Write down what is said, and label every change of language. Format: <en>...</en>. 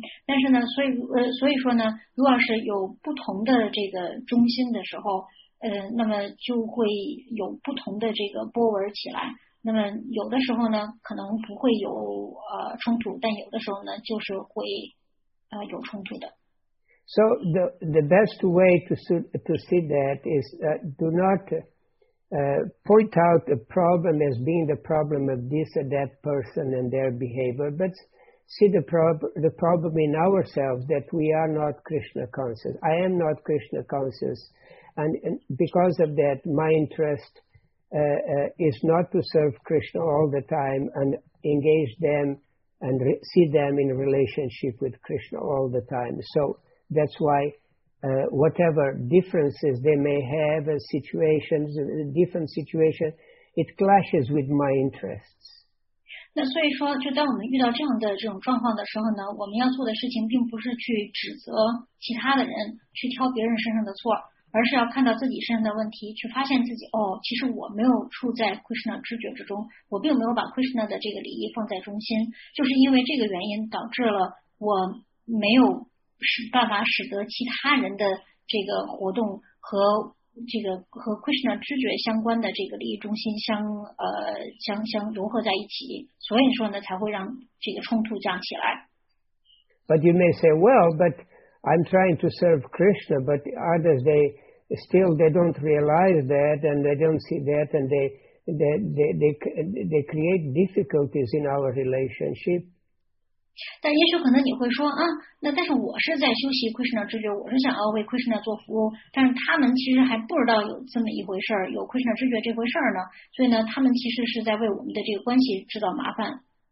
<zh>但是呢，所以说呢，如果是有不同的这个中心的时候，那么就会有不同的这个波纹起来。那么有的时候呢，可能不会有冲突，但有的时候呢，就是会有冲突的。</zh> <en>So the best way to see that is do not point out the problem as being the problem of this or that person and their behavior, but see the problem in ourselves that we are not Krishna conscious. I am not Krishna conscious, and because of that, my interest is not to serve Krishna all the time and engage them and see them in relationship with Krishna all the time. So that's why whatever differences they may have as situations, different situation, it clashes with my interests.</en> <zh>那所以说，就当我们遇到这样的这种状况的时候呢，我们要做的事情并不是去指责其他的人，去挑别人身上的错，而是要看到自己身上的问题，去发现自己，哦，其实我没有处在 Krishna 知觉之中，我并没有把 Krishna 的这个利益放在中心，就是因为这个原因导致了我没有是办法使得其他人的这个活动和这个和 Krishna 知觉相关的这个利益中心相融合在一起，所以说呢才会让这个冲突降起来。</zh> <en>But you may say, well, but I'm trying to serve Krishna, but others they don't realize that and they don't see that and they create difficulties in our relationship.</en> <zh>但也许可能你会说啊，那但是我是在修习 Krishna 知觉，我是想要为 Krishna 做服务，但是他们其实还不知道有这么一回事儿，有 Krishna 知觉这回事儿呢，所以呢，他们其实是在为我们的这个关系制造麻烦。</zh>